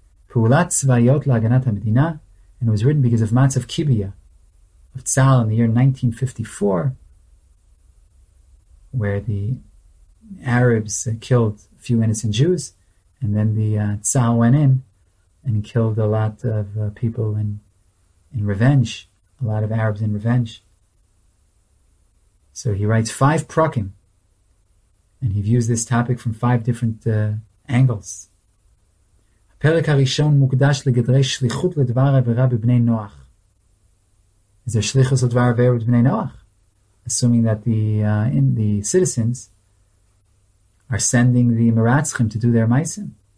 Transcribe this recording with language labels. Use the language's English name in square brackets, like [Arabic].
[English] Pu'ulat Tzvayot LaHaganat HaMedina. And it was written because of Matzav Kibia of Tzal in the year 1954, where the Arabs killed a few innocent Jews, and then the Tzal went in and killed a lot of people in revenge, a lot of Arabs in revenge. So he writes five prakim, and he views this topic from five different angles. [Hebrew] הפרק הראשון מוקדש לגדרי שליחות לדבר עבירה בבני נוח. [English] Is there [Hebrew] שליחות לדבר עבירה בבני נוח? [English] Assuming that the citizens are sending the meratzchim to do their meisim.